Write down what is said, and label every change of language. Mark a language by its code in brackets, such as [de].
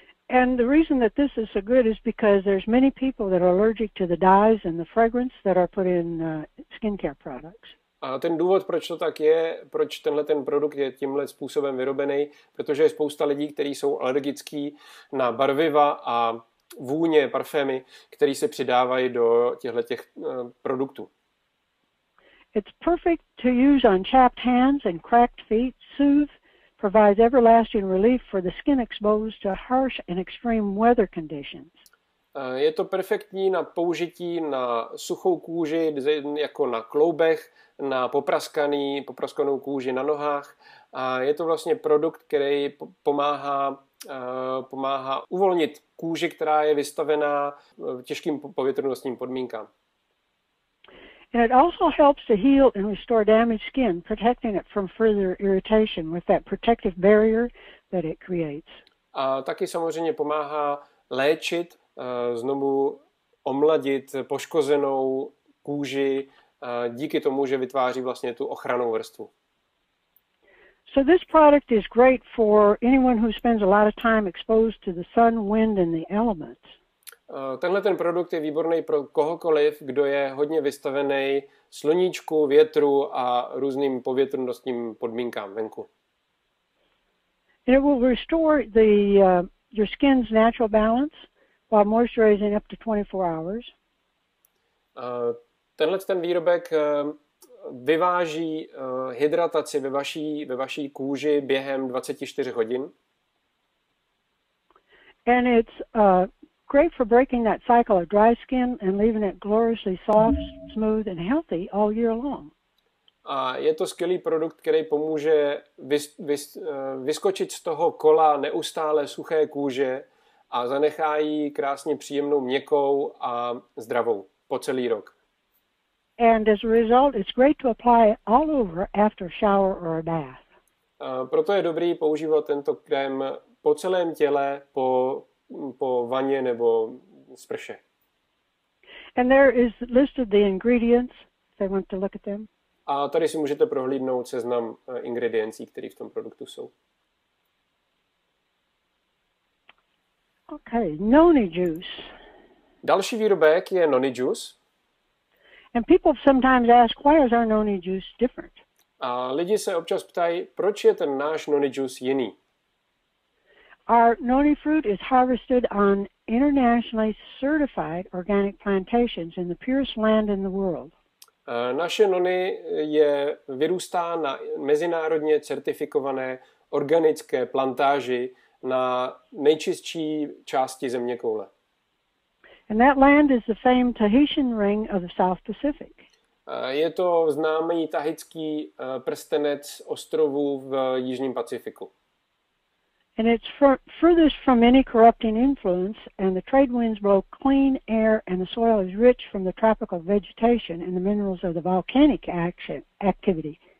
[en] And the reason that this is so good is because there's many people that are allergic to the dyes and the fragrance that are put in skincare products. [cs] A ten důvod, proč to tak je, proč tenhle ten produkt je tímhle způsobem vyrobený, protože je spousta lidí, kteří jsou alergický na barviva a vůně, parfémy, které se přidávají do těchto produktů. [en] It's perfect to use on chapped hands and cracked feet, soothe. Provides everlasting relief for the skin exposed to harsh and extreme weather conditions. [cs] Je to perfektní na použití na suchou kůži, jako na kloubech, na popraskanou kůži na nohách. A je to vlastně produkt, který pomáhá uvolnit kůži, která je vystavená těžkým povětrnostním podmínkám. [en] And it also helps to heal and restore damaged skin, protecting it from further irritation with that protective barrier that it creates. [cs] A taky samozřejmě pomáhá léčit, znovu omladit poškozenou kůži díky tomu, že vytváří vlastně tu ochrannou vrstvu. [en] So this product is great for anyone who spends a lot of time exposed to the sun, wind and the elements. [cs] Tenhle ten produkt je výborný pro kohokoliv, kdo je hodně vystavený sluníčku, větru a různým povětrnostním podmínkám venku. [en] It will restore your skin's natural balance while moisturizing up to 24 hours. [cs] Tenhle ten výrobek vyváží hydrataci ve vaší kůži během 24 hodin. [en] And it's great for breaking that cycle of dry skin and leaving it gloriously soft, smooth and healthy all year long. [cs] A je to skvělý produkt, který pomůže vyskočit z toho kola neustále suché kůže a zanechá jí krásně příjemnou, měkkou a zdravou po celý rok. [en] And as a result, it's great to apply all over after shower or a bath. [cs] A proto je dobrý používat tento krém po celém těle po vaně nebo sprše. [en] And there is listed the ingredients if they want to look at them. [cs] A tady si můžete prohlídnout seznam ingrediencí, které v tom produktu jsou. [en] Okay, noni juice. [cs] Další výrobek je noni juice. [en] And people sometimes ask, why is our noni juice different? [cs] A lidi se občas ptají, proč je ten náš noni juice jiný? [en] Our noni fruit is harvested on internationally certified organic plantations in the purest land in the world. [cs] Naše noni je vyrůstá na mezinárodně certifikované organické plantáži na nejčistší části zeměkoule. [en] And that land is the famed Tahitian ring of the South Pacific. [cs] Je to známý tahitský prstenec ostrovů v Jižním Pacifiku. [en] And it's furthest from any corrupting influence, and the trade winds blow clean air, and the soil is rich from the tropical vegetation and the minerals of the volcanic activity.